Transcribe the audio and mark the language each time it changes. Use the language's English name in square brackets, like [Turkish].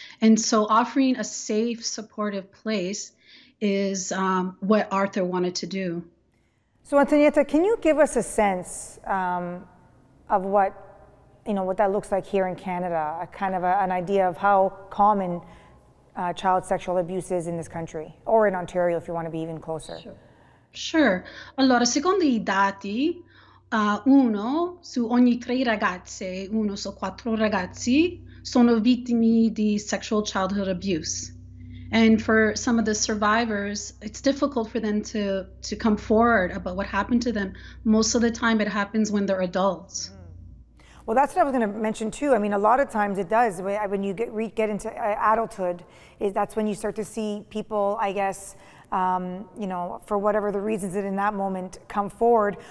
[English] And so offering a safe, supportive place is what Arthur wanted to do. So Antonietta, can you give us a sense of what, you know, what that looks like here in Canada, a kind of an idea of how common child sexual abuse is in this country, or in Ontario, if you want to be even closer? Sure. [Italian] Allora, secondo i dati, uno su ogni tre ragazze, uno su quattro ragazzi, sono vittime di [English] sexual childhood abuse. And for some of the survivors, it's difficult for them to come forward about what happened to them. Most of the time it happens when they're adults. Well, that's what I was gonna mention too. I mean, a lot of times it does. When you get into adulthood, that's when you start to see people, I guess, you know, for whatever the reasons that in that moment come forward.